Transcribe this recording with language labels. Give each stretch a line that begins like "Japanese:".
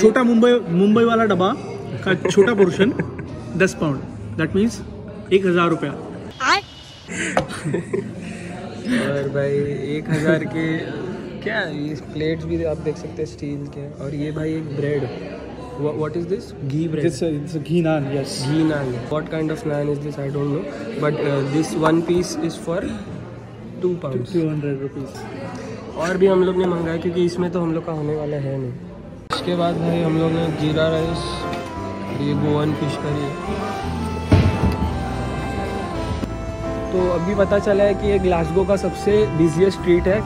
Hindi: छोटा मुंबई वाला डब्बा का छोटा portion 10 pounds,
English: That means 1000 rupees।
Hindi: और भाई 1000 के क्या, ये प्लेट्स भी आप देख सकते हैं स्टील के। और ये भाई एक bread,
English: what is this? Ghee bread. It's a ghee naan, yes. Ghee naan. What kind of naan is this? I don't know. But this one piece is for 2 pounds. 200 rupees.
Hindi: और भी हम लोग ने मंगाया क्योंकि इसमें तो हम लोग का होने वाला है नहीं। इसके बाद भाई हम लोग ने जीरा राइस, ये गोवन फिश करी। तो अभी पता चला है कि ये ग्लासगो का सबसे बिजिएस्ट स्ट्रीट है।